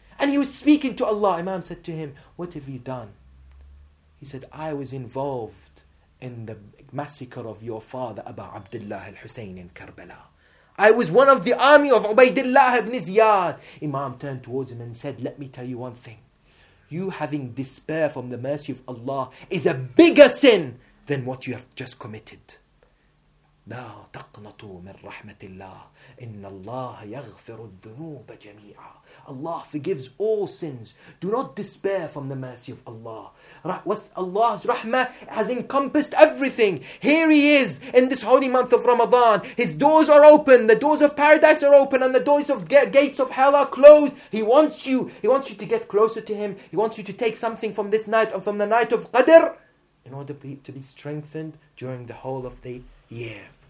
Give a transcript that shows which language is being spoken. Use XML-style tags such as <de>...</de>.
<en>And he was speaking to Allah. Imam said to him, what have you done? He said, I was involved in the massacre of your father, Abu Abdullah al-Husayn in Karbala. I was one of the army of Ubaydullah ibn Ziyad. Imam turned towards him and said, let me tell you one thing. You having despair from the mercy of Allah is a bigger sin than what you have just committed.</en> <ar>لا تقنطوا من رحمة الله إن الله يغفر الذنوب جميعا.</ar> <en>Allah forgives all sins. Do not despair from the mercy of Allah. Allah's rahmah has encompassed everything. Here he is in this holy month of Ramadan. His doors are open. The doors of paradise are open and the doors of gates of hell are closed. He wants you to get closer to him. He wants you to take something from this night and from the night of Qadr in order to be strengthened during the whole of the year.</en>